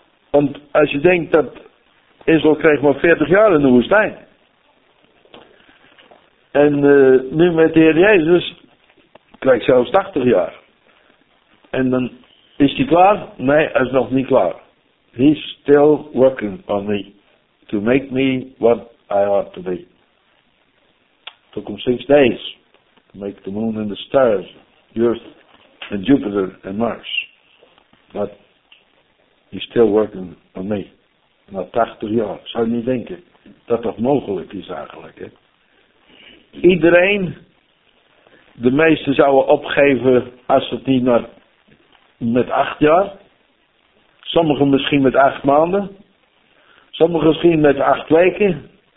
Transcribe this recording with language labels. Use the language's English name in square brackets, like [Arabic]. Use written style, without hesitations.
[Dutch] Want als je denkt dat Israël kreeg maar 40 jaar in de woestijn. En nu met de Heer Jezus krijgt zelfs 80 jaar. En dan is hij klaar? Nee, hij is nog niet klaar. [English] He's still working on me to make me what I ought to be. Took him 6 days to make the moon and the stars, the earth and Jupiter and Mars. But he's still working on me. [Dutch] Na 80 jaar, zou je niet denken dat dat mogelijk is eigenlijk. Hè? Iedereen, de meesten zouden opgeven als het niet maar met 8 jaar. Sommigen misschien met 8 maanden. Sommigen misschien met 8 weken.